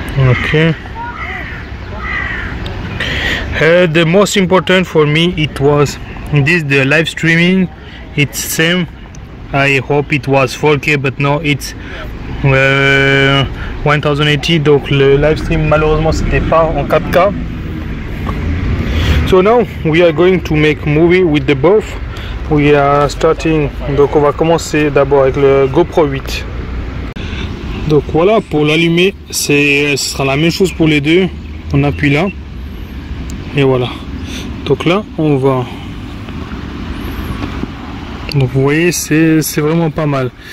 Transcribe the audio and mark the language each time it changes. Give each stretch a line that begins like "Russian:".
English: Ok. The most important for me, it was this, the live streaming. It's same, I hope it was 4K, but no, it's 1080.
French: Donc le live stream malheureusement c'était pas en 4K.
English: So now we are going to make movie with the both. We are starting.
French: Donc on va commencer d'abord avec le GoPro 8. Donc voilà, pour l'allumer ce sera la même chose pour les deux, on appuie là. Et voilà, donc là on va, donc vous voyez, c'est vraiment pas mal.